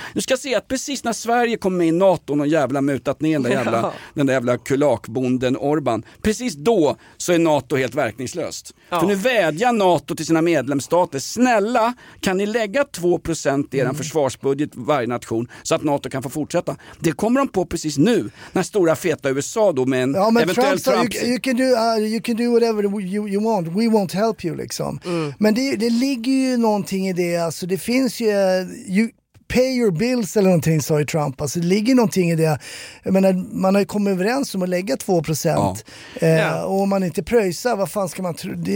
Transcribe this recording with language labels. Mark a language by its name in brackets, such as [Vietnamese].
[Swedish] Nu ska jag se att precis när Sverige kom med i NATO och jävla mutat ner den där jävla kulakbonden Orban, precis då så är NATO helt verkningslöst. Ja. För nu vädjar NATO till sina medlemsstater: snälla, kan ni lägga 2% i eran försvarsbudget varje nation så att NATO kan få fortsätta? Det kommer de på precis nu, när stora feta USA då med en eventuell Trump. [English] You can do whatever you want, we won't help you liksom. [Swedish] Men det ligger ju någonting i det, alltså det finns ju... [English] pay your bills [Swedish] eller någonting, sa ju Trump. Alltså det ligger någonting i det. Jag menar, man har ju kommit överens om att lägga 2%. Och om man inte pröjsar, vad fan ska man tro?